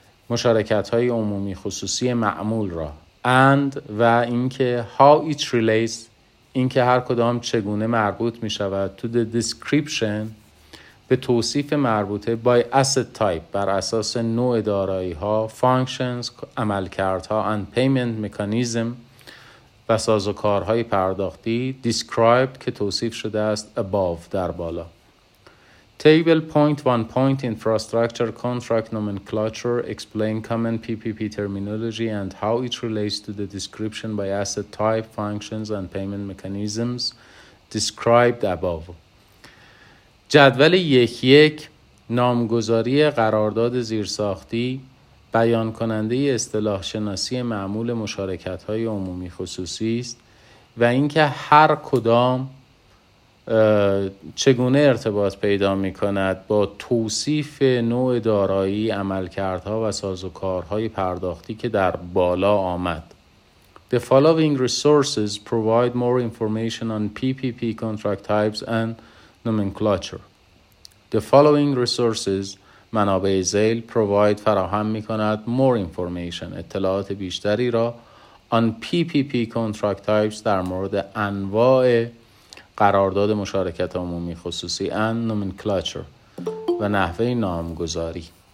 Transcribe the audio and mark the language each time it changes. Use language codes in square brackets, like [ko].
[fa] مشارکت های عمومی خصوصی معمول را اند و اینکه [en] how it relates [fa] اینکه هر کدام چگونه مربوط می شود [en] to the description [fa] به توصیف مربوطه [en] by asset type [fa] بر اساس نوع دارایی ها [en] functions [fa] عملکرد ها [en] and payment mechanism [fa] و سازوکارهای پرداختی [en] described [fa] که توصیف شده است [en] above [fa] در بالا. [en] Table point one point infrastructure contract nomenclature explain common PPP terminology and how it relates to the description by asset type functions and payment mechanisms described above. [fa] جدول 1.1 نامگذاری قرارداد زیرساختی بیان کننده اصطلاح شناسی معمول مشارکت های عمومی خصوصی است و اینکه هر کدام چگونه ارتباط پیدا می کند با توصیف نوع دارایی عملکردها و سازوکارهای پرداختی که در بالا آمد. [en] The following resources provide more information on PPP contract types and nomenclature. The following resources [fa] منابع ذیل [en] provide [fa] فراهم می کند [en] more information [fa] اطلاعات بیشتری را [en] on PPP contract types [fa] در مورد انواع قرارداد مشارکت عمومی خصوصی [en] and nomenclature [fa] و نحوه نامگذاری.